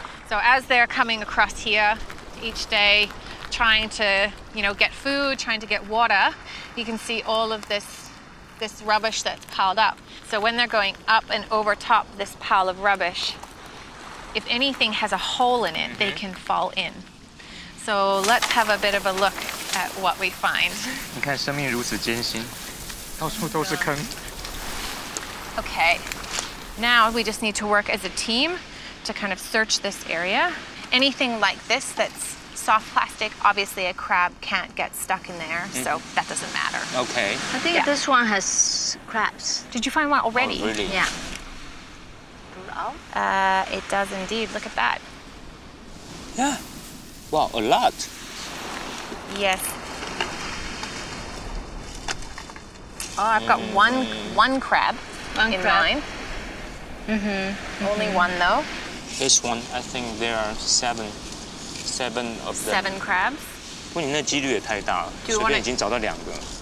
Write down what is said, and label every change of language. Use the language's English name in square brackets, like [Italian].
[English] So as they're coming across here,each day trying to, you know, get food, trying to get water. You can see all of this rubbish that's piled up. So when they're going up and over top this pile of rubbish, if anything has a hole in it, they can fall in. So let's have a bit of a look at what we find. [Chinese] 你看，生命如此艰辛，到处都是坑。 [English] Okay, now we just need to work as a team to kind of search this area. Anything like this that's soft plastic, obviously a crab can't get stuck in there, so that doesn't matter. Okay. I think this one has crabs. Did you find one already? Oh, really? Yeah. It does indeed. Look at that. Yeah. Wow, a lot. Yes. Oh, I've got one crab one in crab. Mine. Mm-hmm. Only one, though. This one, I think there are seven of them. Seven crabs? [Chinese] 不过你那几率也太大了，随便已经找到两个。